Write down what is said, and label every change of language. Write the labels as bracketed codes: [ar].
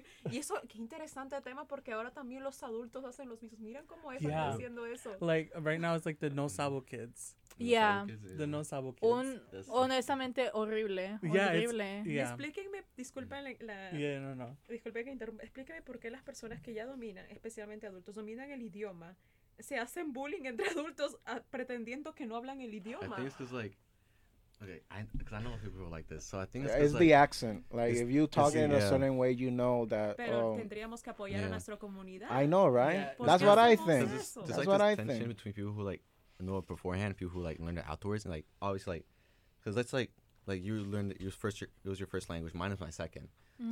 [es] Y eso, qué interesante tema, porque ahora también los adultos hacen los mismos. Miran cómo están haciendo eso. [en] Like, right now it's like the no sabo kids. Yeah. The no sabo kids. [es] Honestamente, horrible. Yeah, horrible. Yeah. Explíquenme, disculpen la... [en] Yeah, no. [es] Disculpen que interrumpa. Explíquenme por qué las personas que ya dominan, especialmente adultos, dominan el idioma, se hacen bullying entre adultos pretendiendo que no hablan el idioma. [en] I think it's like... Okay, because I know people are like this, so I think it's the accent. Like, if you talk in a certain way, you know that. [es] Pero tendríamos que apoyar a nuestra comunidad. [en] I know, right? Yeah. That's what I think. That's what I think. Tension between people who like know it beforehand, people who like learn it outdoors, and like obviously like, because let's like you learned it, it was your first language. Mine is my second. Mm-hmm.